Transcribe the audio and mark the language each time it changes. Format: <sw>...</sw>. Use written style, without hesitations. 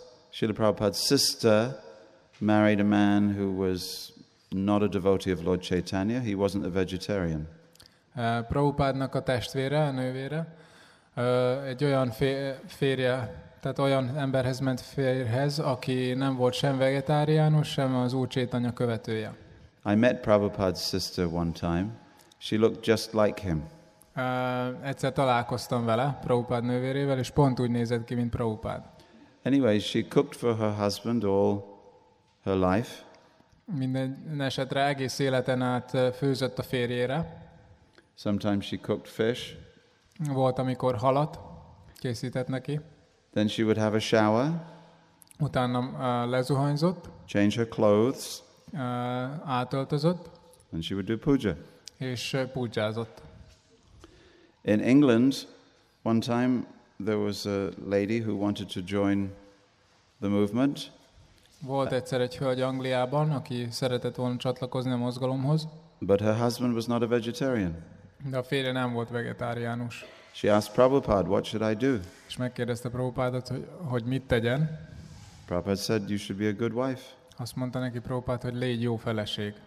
<en>Srila Prabhupada's sister married a man who was not a devotee of Lord Chaitanya. He wasn't a vegetarian.</en> <hu>Prabhupádnak a testvére, a nővére, egy olyan férje, tehát olyan emberhez ment férjhez, aki nem volt sem vegetáriánus, sem az Úr Chaitanya követője.</hu> <en>I met Prabhupada's sister one time. She looked just like him.</en> <hu>Egyszer találkoztam vele, Prabhupád nővérével, és pont úgy nézett ki, mint Prabhupád.</hu> <en>Anyway, she cooked for her husband all her life.</en> <hu>Minden esetre egész életen át főzött a férjére.</hu> <en>Sometimes she cooked fish.</en> <hu>Volt, amikor halat készített neki.</hu> <en>Then she would have a shower.</en> <hu>Utána lezuhanyzott.</hu> <en>Change her clothes.</en> <hu>Átöltözött.</hu> <en>And she would do puja.</en> <hu>És pujázott.</hu> <en>In England, one time there was a lady who wanted to join the movement.</en> <hu>Volt egyszer egy hölgy Angliában, aki szeretett volna csatlakozni a mozgalomhoz.</hu> <en>But her husband was not a vegetarian.</en> <hu>De a férje nem volt vegetáriánus.</hu> <en>She asked Prabhupada, what should I do?</en> <hu>És megkérdezte Prabhupádat, hogy mit tegyen.</hu> <en>Prabhupada said, you should be a good wife.</en> <hu>Azt mondta neki Prabhupád, hogy légy jó feleség.</hu>